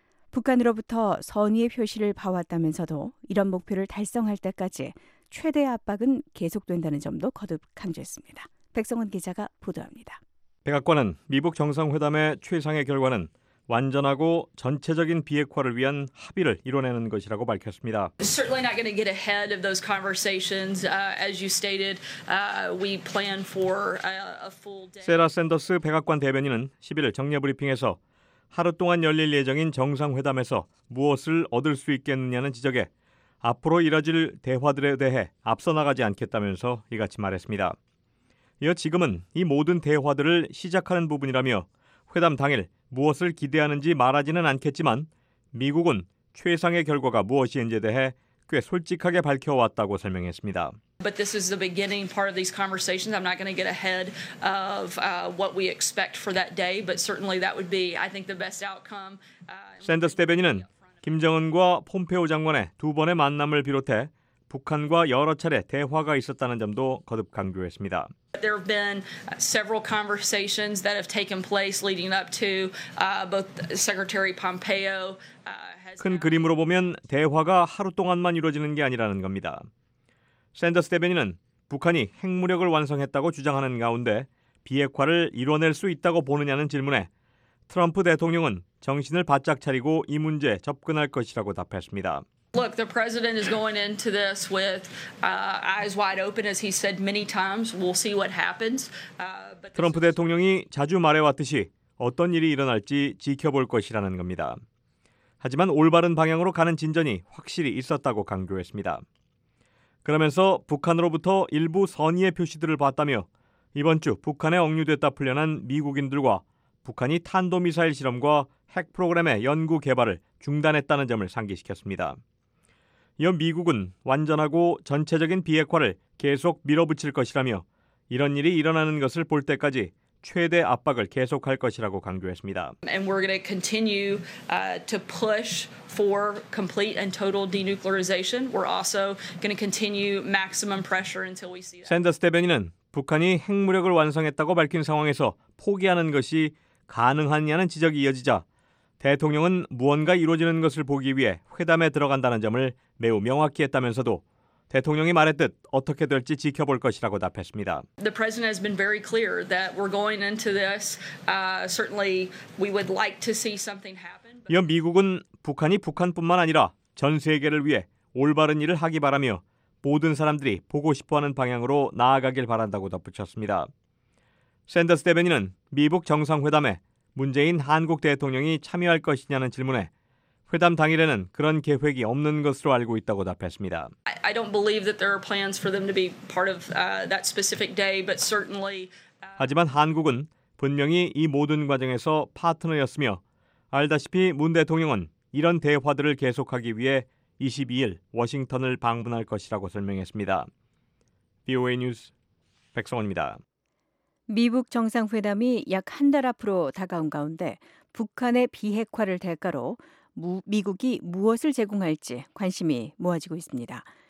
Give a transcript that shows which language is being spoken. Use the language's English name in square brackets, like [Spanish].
[Korean] 북한으로부터 선의의 표시를 봐왔다면서도 이런 목표를 달성할 때까지 최대 압박은 계속된다는 점도 거듭 강조했습니다. 백성원 기자가 보도합니다. 백악관은 미북 정상회담의 최상의 결과는 완전하고 전체적인 비핵화를 위한 합의를 이뤄내는 것이라고 밝혔습니다. [English] Certainly not going to get ahead of those conversations. As you stated, we plan for a full day. [Korean] 세라 샌더스 백악관 대변인은 11일 정례 브리핑에서 하루 동안 열릴 예정인 정상회담에서 무엇을 얻을 수 있겠느냐는 지적에 앞으로 이뤄질 대화들에 대해 앞서 나가지 않겠다면서 이같이 말했습니다. 이어 지금은 이 모든 대화들을 시작하는 부분이라며 회담 당일 무엇을 기대하는지 말하지는 않겠지만 미국은 최상의 결과가 무엇인지에 대해 꽤 솔직하게 밝혀왔다고 설명했습니다. [English] But this is the beginning part of these conversations. I'm not going to get ahead of what we expect for that day, but certainly that would be, I think, the best outcome. [Korean] 샌더스 대변인은 김정은과 폼페오 장관의 두 번의 만남을 비롯해 북한과 여러 차례 대화가 있었다는 점도 거듭 강조했습니다. [English] There have been several conversations that have taken place leading up to both Secretary Pompeo. [Korean] 큰 그림으로 보면 대화가 하루 동안만 이루어지는 게 아니라는 겁니다. 샌더스 대변인은 북한이 핵무력을 완성했다고 주장하는 가운데 비핵화를 이뤄낼 수 있다고 보느냐는 질문에 트럼프 대통령은 정신을 바짝 차리고 이 문제에 접근할 것이라고 답했습니다. [English] Look, the president is going into this with eyes wide open, as he said many times. We'll see what happens. [Korean] 트럼프 대통령이 자주 말해왔듯이 어떤 일이 일어날지 지켜볼 것이라는 겁니다. 하지만 올바른 방향으로 가는 진전이 확실히 있었다고 강조했습니다. 그러면서 북한으로부터 일부 선의의 표시들을 봤다며 이번 주 북한에 억류됐다 풀려난 미국인들과 북한이 탄도미사일 실험과 핵 프로그램의 연구 개발을 중단했다는 점을 상기시켰습니다. 이어 미국은 완전하고 전체적인 비핵화를 계속 밀어붙일 것이라며 이런 일이 일어나는 것을 볼 때까지 최대 압박을 계속할 것이라고 강조했습니다. [English] And we're going to continue to push for complete and total denuclearization. We're also going to continue maximum pressure until we see that. [Korean] 샌더스 대변인은 북한이 핵무력을 완성했다고 밝힌 상황에서 포기하는 것이 가능하냐는 지적이 이어지자 대통령은 무언가 이루어지는 것을 보기 위해 회담에 들어간다는 점을 매우 명확히 했다면서도 대통령이 말했듯 어떻게 될지 지켜볼 것이라고 답했습니다. [English] The president has been very clear that we're going into this. Certainly, we would like to see something happen. [Korean] 이어 미국은 북한이 북한뿐만 아니라 전 세계를 위해 올바른 일을 하기 바라며 모든 사람들이 보고 싶어하는 방향으로 나아가길 바란다고 덧붙였습니다. 샌더스 대변인은 미북 정상회담에 문재인 한국 대통령이 참여할 것이냐는 질문에 회담 당일에는 그런 계획이 없는 것으로 알고 있다고 답했습니다. [English] I don't believe that there are plans for them to be part of that specific day, but certainly. [Korean] 하지만 한국은 분명히 이 모든 과정에서 파트너였으며, 알다시피 문 대통령은 이런 대화들을 계속하기 위해 22일 워싱턴을 방문할 것이라고 설명했습니다. VOA 뉴스 백성원입니다. 미북 정상회담이 약 한 달 앞으로 다가온 가운데 북한의 비핵화를 대가로 미국이 무엇을 제공할지 관심이 모아지고 있습니다.